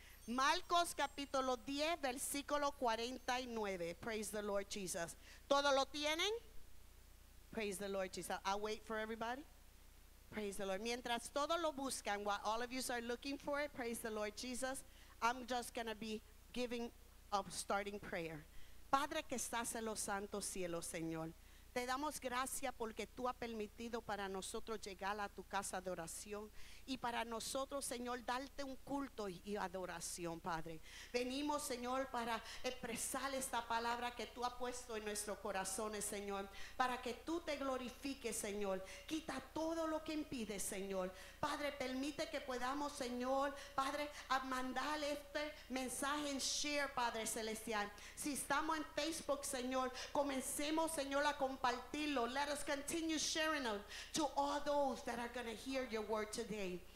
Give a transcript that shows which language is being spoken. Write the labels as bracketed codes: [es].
[es] Marcos capítulo 10, versículo 49. [en] Praise the Lord Jesus. [es] ¿Todo lo tienen? [en] Praise the Lord Jesus. I'll wait for everybody. Praise the Lord. [es] Mientras todos lo buscan, [en] while all of you are looking for it, praise the Lord Jesus, I'm just going to be giving a starting prayer. [es] Padre que estás en los santos cielos, Señor, te damos gracias porque tú has permitido para nosotros llegar a tu casa de oración y para nosotros, Señor, darte un culto y adoración, Padre. Venimos, Señor, para expresar esta palabra que tú has puesto en nuestros corazones, Señor, para que tú te glorifiques, Señor. Quita todo lo que impide, Señor. Padre, permite que podamos, Señor, Padre, mandar este mensaje en share, Padre Celestial. Si estamos en Facebook, Señor, comencemos, Señor, a compartirlo. [en] Let us continue sharing it to all those that are going to hear your word today.